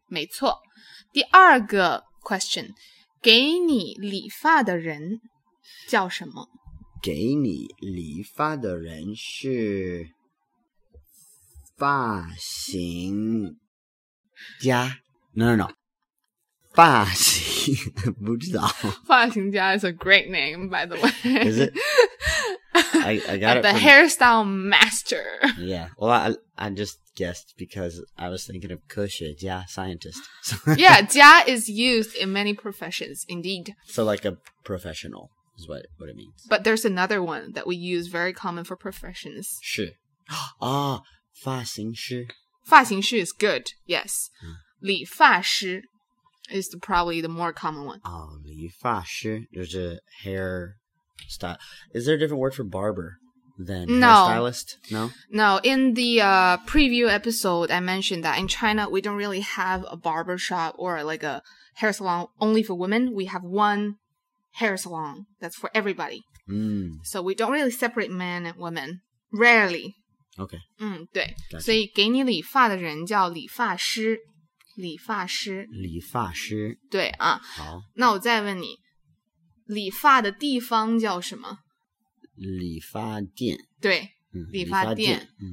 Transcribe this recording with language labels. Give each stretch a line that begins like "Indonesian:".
Chinese: 没错第二个 question 给你理发的人叫什么给你理发的人是发型家
English: No.
Chinese: 发型不知道
English: 发型家 is a great name, by the way. Is it? I got it the hairstyle master. Yeah. Well, I just guessed because I was thinking of 科学家 scientist. Yeah, 家 is used in many professions, indeed. So like a professional is what it means. But there's another one that we use very common for professions.
Chinese: 是。Oh,发型师
English: 发型师 is good, yes. 理发师 is probably the more common one.
Chinese: 哦，理发师就是 hair style.
English: Is there a different word for barber than hairstylist? No. No, in the preview episode, I mentioned that in China, we don't really have a barber shop or like a hair salon only for women. We have one hair salon that's for everybody. So we don't really separate men and women. Rarely. Okay.
Chinese: 对。
English: Gotcha.
Chinese: 所以给你理发的人叫理发师。理发师。理发师。对啊。好。那我再问你理发的地方叫什么理发店。对。理发店。